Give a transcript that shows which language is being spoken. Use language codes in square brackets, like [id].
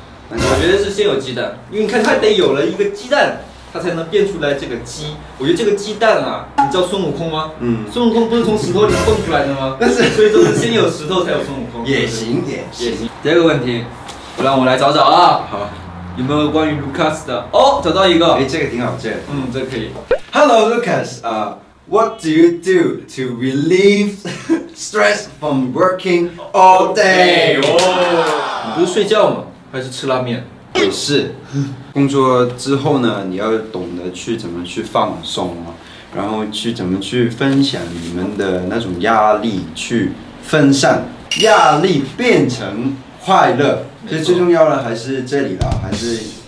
[zh] 我觉得是先有鸡蛋，因为你看它得有了一个鸡蛋，它才能变出来这个鸡。我觉得这个鸡蛋啊，你知道孙悟空吗？嗯，孙悟空不是从石头里蹦出来的吗？但是，所以说是先有石头才有孙悟空。也行。第二个问题，让我来找找啊。好，有没有关于 Lucas 的？哦，找到一个。哎，这个挺好，这个。嗯，这个可以。 [en] Hello Lucas， what do you do to relieve stress from working all day？ [zh] 哦，你不是睡觉吗？还是吃拉面，也是。工作之后呢，你要懂得去怎么去放松啊，然后去怎么去分享你们的那种压力，去分散压力变成快乐。所以最重要的还是这里了，还是